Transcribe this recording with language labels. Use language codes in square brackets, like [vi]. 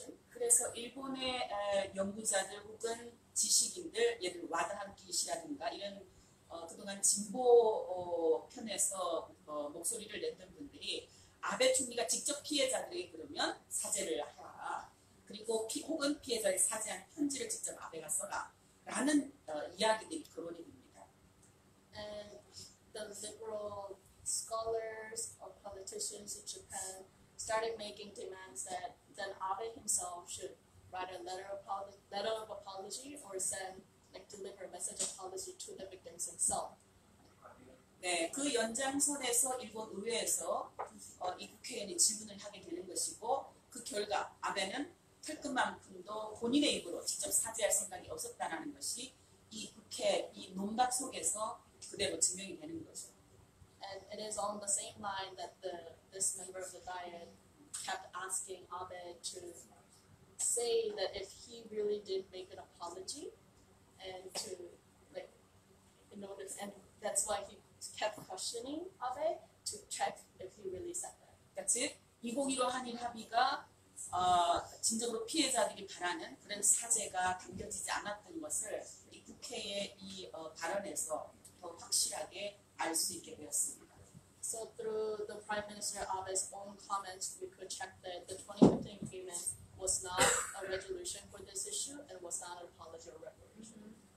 [ko] 그래서 일본의 연구자들 혹은 지식인들, 예를 와다함기시라든가 이런 그동안 진보 편에서 목소리를 냈던 분들이 아베 총리가 직접 피해자들에게 그러면 사죄를 하라. 그리고 혹은 피해자에 사죄한 편지를 직접 아베가 써라. 라는 이야기들이 거론이 됩니다. [en] And the liberal scholars or politicians in Japan started making demands that then Abe himself should write a letter of apology or send like deliver a message of apology to the victims himself. [ko] 네, 그 연장선에서 일본 의회에서 이 국회의원이 질문을 하게 되는 것이고 그 결과 아베는 털끝만큼도 본인의 입으로 직접 사죄할 생각이 없었다라는 것이 이 국회 이 논박 속에서 그대로 증명이 되는 거죠. [en] And it is on the same line that this member of the Diet kept asking Abe to say that if he really did make an apology and to like in order and that's why he kept questioning Abe to check if he really said that. [ko] 2011 한일 합의가 진정으로 피해자들이 바라는 그런 사죄가 담겨지지 않았던 것을 이 국회의 이 발언에서 더 확실하게 알 수 있게 되었습니다. [en] So through the Prime Minister Abe's own comments, we could check that the 2015 agreement was not a resolution for this issue and was not an apology or reparation.